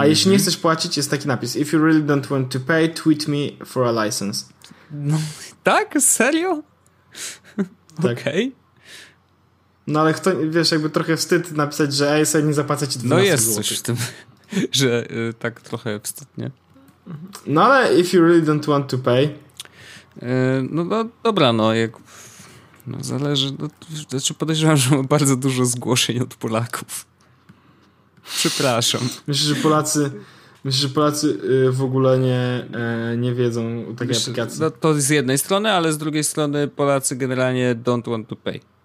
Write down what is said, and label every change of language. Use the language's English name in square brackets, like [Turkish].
[Polish] A jeśli nie chcesz płacić, jest taki napis: [English] if you really don't want to pay, tweet me for a license. [Polish] No, tak? Serio? Tak. Okej. Okay. No ale kto, wiesz, jakby trochę wstyd napisać, że ej, sobie nie zapłacę ci 12 zł. No jest złotych. Coś w tym, że tak trochę wstyd, nie? No ale [English] if you really don't want to pay. [Polish] No dobra, no jak... No zależy, no, znaczy podejrzewam, że ma bardzo dużo zgłoszeń od Polaków. Przepraszam. Myślę, że Polacy w ogóle nie wiedzą o takiej aplikacji. No to z jednej strony, ale z drugiej strony Polacy generalnie [English] don't want to pay.